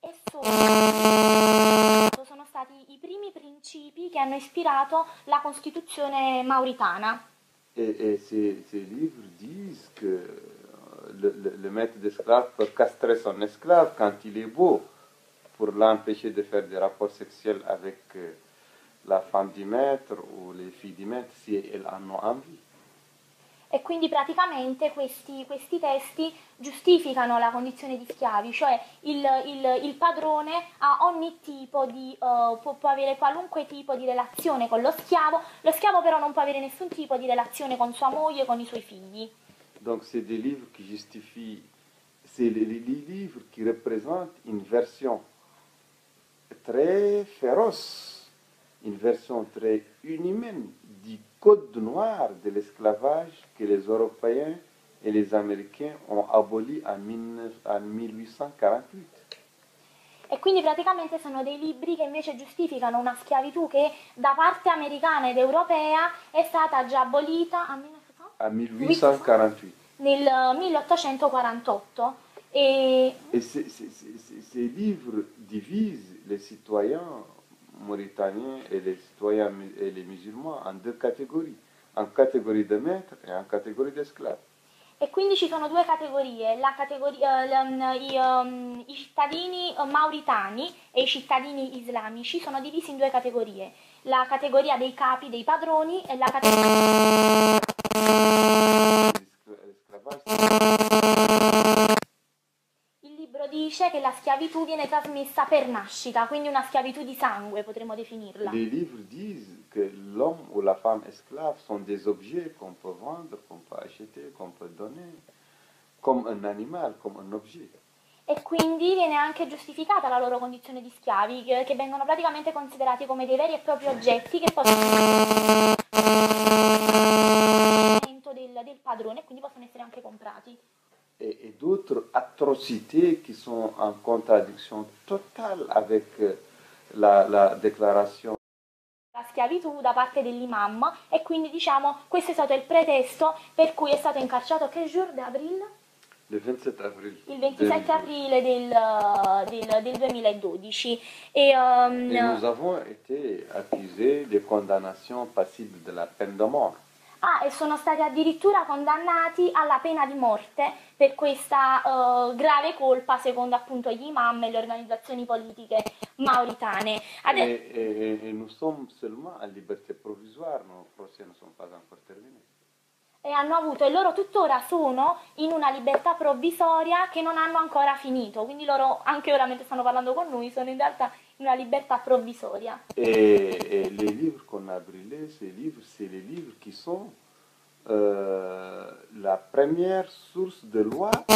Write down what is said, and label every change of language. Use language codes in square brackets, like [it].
[it] Sono stati i primi principi che hanno ispirato la Costituzione mauritana. [fr] Et ces livres disent que le maître d'esclave peut castrer son esclave quand il est beau, pour l'empêcher de faire des rapports sexuels avec la femme du maître ou les filles du maître si elles en ont envie. [it] E quindi praticamente questi testi giustificano la condizione di schiavi, cioè il padrone ha ogni tipo di, può avere qualunque tipo di relazione con lo schiavo però non può avere nessun tipo di relazione con sua moglie, con i suoi figli. [fr] Donc c'est des livres qui justifient, c'est les livres qui représentent une version très féroce, une version très inhumaine du code noir de l'esclavage que les Européens et les Américains ont aboli en 1848. [it] E quindi praticamente sono dei libri che invece giustificano una schiavitù che da parte americana ed europea è stata già abolita a A 1848. 1848. [fr] Et ces livres divisent les citoyens mauritaniens et les citoyens et les musulmans en 2 catégories, en catégorie de maîtres et en catégorie d'esclaves. [it] E quindi ci sono due categorie, i cittadini mauritani e i cittadini islamici sono divisi in due categorie, la categoria dei capi, dei padroni e la categoria dice che la schiavitù viene trasmessa per nascita, quindi una schiavitù di sangue, potremmo definirla. [fr] Les livres disent que l'homme ou la femme esclave sont des objets qu'on peut vendre, qu'on peut acheter, qu'on peut donner, comme un animal, comme un objet. [it] E quindi viene anche giustificata la loro condizione di schiavi, che vengono praticamente considerati come dei veri e propri oggetti che possono del padrone, quindi possono essere anche comprati. [fr] Et d'autres atrocités qui sont en contradiction totale avec la déclaration. [it] La schiavitù da parte dell'imam, e quindi diciamo questo è stato il pretesto per cui è stato incarcerato che giorno d'avril? [fr] Le 27 avril [it] Il 27 aprile [fr] 2012. [it] del 2012. E, [fr] Et nous avons été accusés de condamnation passible de la peine de mort. [it] Ah, e sono stati addirittura condannati alla pena di morte per questa grave colpa, secondo appunto gli imam e le organizzazioni politiche mauritane. [fr] Et nous sommes seulement à liberté provisoire, nos procès ne sont pas encore terminés. [it] E hanno avuto, e loro tuttora sono in una libertà provvisoria che non hanno ancora finito. Quindi loro, anche ora mentre stanno parlando con noi, sono in realtà in una libertà provvisoria. [fr] Et les livres qu'on a brûlés, ces livres, c'est les livres qui sont la première source de loi.